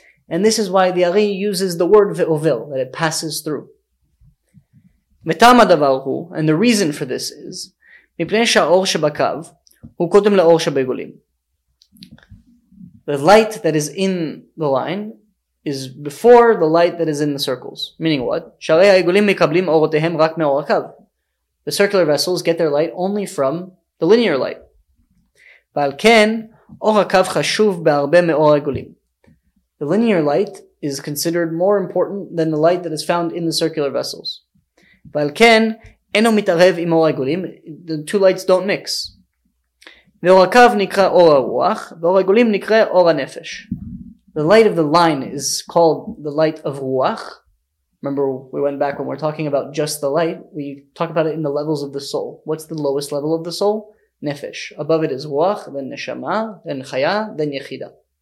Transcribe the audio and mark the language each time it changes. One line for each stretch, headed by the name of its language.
English: And this is why the Ari uses the word ועובר, that it passes through.
Hebrew: וטעם הדבר הוא,
English: and the reason for this is,
Hebrew: מפני שהאור שבקו הוא קודם לאור שבעיגולים.
English: The light that is in the line is before the light that is in the circles. Meaning what?
Hebrew: שערי העיגולים מקבלים אורותיהם רק מאור הקו.
English: The circular vessels get their light only from the linear light.
Hebrew: ועל כן, אור הקו חשוב בהרבה מאור העיגולים.
English: The linear light is considered more important than the light that is found in the circular vessels.
Hebrew: ועל כן, אינו מתערב עם אור העיגולים.
English: The two lights don't mix.
Hebrew: ואור הקו נקרא אור הרוח, ואור העיגולים נקרא אור הנפש.
English: The light of the line is called the light of Ruach. Remember, we went back when we're talking about just the light, we talk about it in the levels of the soul. What's the lowest level of the soul? Nefesh. Above it is Ruach, then Neshama, then Chaya, then Yechida.